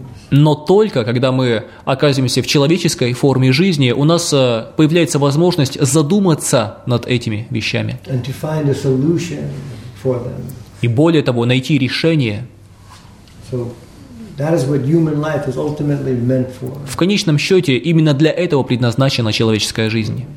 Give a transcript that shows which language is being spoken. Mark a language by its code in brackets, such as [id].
[ru] Но только когда мы оказываемся в человеческой форме жизни, у нас появляется возможность задуматься над этими вещами. [en] And to find a solution for them. [ru] И более того, найти решение. [en] So that is what human life is ultimately meant for. [ru] В конечном счете, именно для этого предназначена человеческая жизнь.